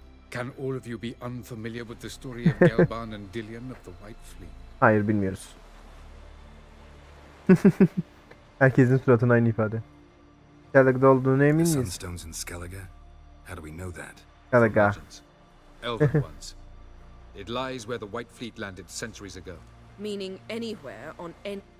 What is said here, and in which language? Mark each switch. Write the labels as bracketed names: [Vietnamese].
[English] Can all of you be unfamiliar with the story of Gelban and Dillion of the White Fleet? [Turkish] Hayır, bilmiyoruz. Herkesin suratına aynı ifade. Skellige'de olduğunu emin miyiz? [English] The sunstones in Skellige? How do we know that? Skellige. Elven ones. It lies where the White Fleet landed centuries ago. Meaning anywhere on any...